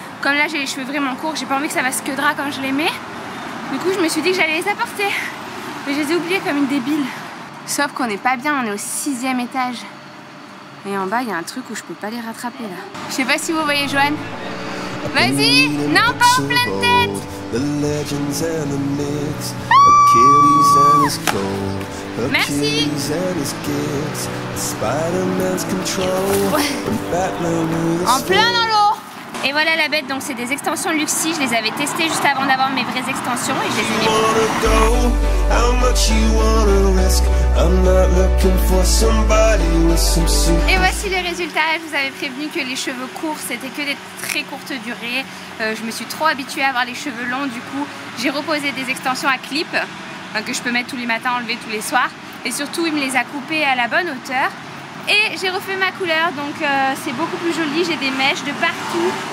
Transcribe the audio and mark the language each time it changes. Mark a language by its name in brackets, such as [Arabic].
[French] Comme là, j'ai les cheveux vraiment courts, j'ai pas envie que ça va se quedra quand je les mets. Du coup, je me suis dit que j'allais les apporter. Mais je les ai oubliés comme une débile. Sauf qu'on n'est pas bien, on est au 6e étage. Et en bas, il y a un truc où je peux pas les rattraper, là. Je sais pas si vous voyez, Joanne. Vas-y! Non, pas en pleine tête! [English] The legends and the myths, Achilles and his gold, Achilles and his gifts, Spider-Man's control, and Batman [French] is en plein dans l'eau. Et voilà la bête, donc c'est des extensions Luxy, je les avais testées juste avant d'avoir mes vraies extensions et je les ai mis. [English] Wanna go, how much you wanna risk? I'm not looking for somebody with some super... [French] Et voici les résultats, je vous avais prévenu que les cheveux courts c'était que des très courtes durées. Je me suis trop habituée à avoir les cheveux longs, du coup j'ai reposé des extensions à clip que je peux mettre tous les matins, enlever tous les soirs. Et surtout il me les a coupées à la bonne hauteur. Et j'ai refait ma couleur, donc c'est beaucoup plus joli, j'ai des mèches de partout.